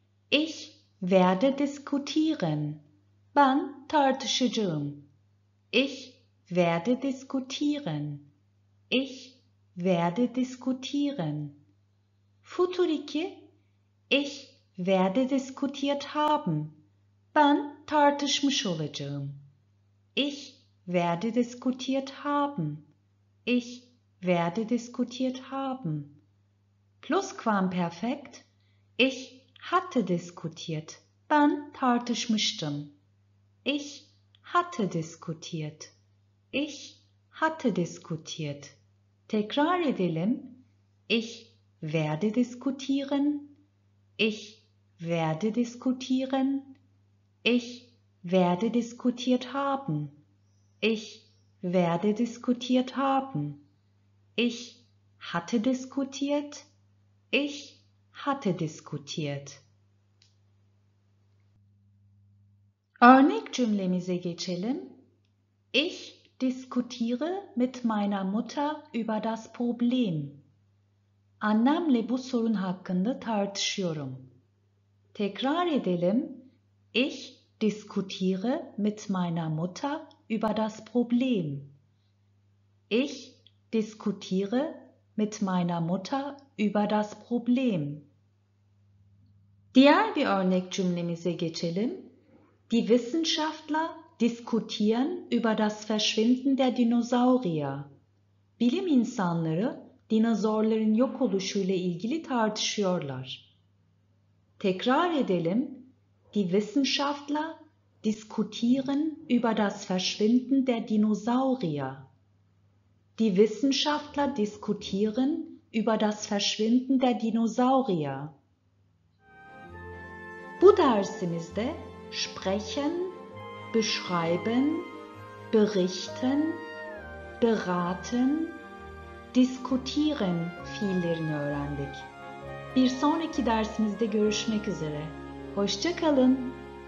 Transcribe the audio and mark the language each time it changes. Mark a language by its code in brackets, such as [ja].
[de] Ich werde diskutieren. [tr] Ben tartışacağım. [de] Ich werde diskutieren. Ich werde diskutieren. Futur iki. Ich werde diskutiert haben. [tr] Ben tartışmış olacağım. [de] Ich werde diskutiert haben. Ich werde diskutiert haben. Plusquamperfekt. Ich hatte diskutiert. [tr] Ben tartışmıştım. [de] Ich hatte diskutiert. Ich hatte diskutiert. [tr] Tekrar edelim. [de] Ich werde diskutieren. Ich werde diskutieren. Ich werde diskutiert haben. Ich werde diskutiert haben. Ich hatte diskutiert. Ich hatte diskutiert. [tr] Örnek cümlemize geçelim. [de] Ich diskutiere mit meiner Mutter über das Problem. [tr] Annemle bu sorun hakkında tartışıyorum. Tekrar edelim. [de] Ich diskutiere mit meiner Mutter über das Problem. Ich diskutiere mit meiner Mutter über das Problem. [tr] Diğer bir örnek cümlemize geçelim. [de] Die Wissenschaftler diskutieren über das Verschwinden der Dinosaurier. [tr] Bilim insanları dinozorların yok oluşuyla ilgili tartışıyorlar. Tekrar edelim. [de] Die Wissenschaftler diskutieren über das Verschwinden der Dinosaurier. Die Wissenschaftler diskutieren über das Verschwinden der Dinosaurier. [tr] Bu dersimizde [de] sprechen, beschreiben, berichten, beraten, diskutieren [tr] fiillerini öğrendik. Bir sonraki dersimizde görüşmek üzere. Hoşça kalın.